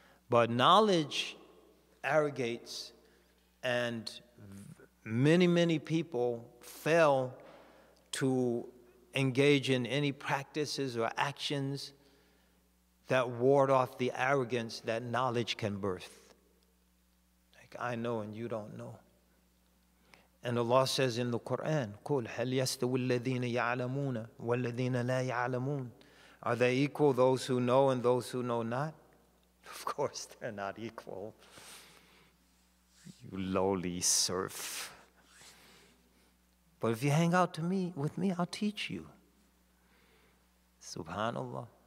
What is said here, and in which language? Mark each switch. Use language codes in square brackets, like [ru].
[en] But knowledge arrogates, and many, many people fail to engage in any practices or actions that ward off the arrogance that knowledge can birth. Like, I know and you don't know. And Allah says in the Quran, [ar] قُلْ هَلْ يَسْتَوِ الَّذِينَ يَعْلَمُونَ وَالَّذِينَ لَا يَعْلَمُونَ. [en] Are they equal, those who know and those who know not? Of course they're not equal. You lowly serf. But if you hang out to me, with me, I'll teach you. Subhanallah.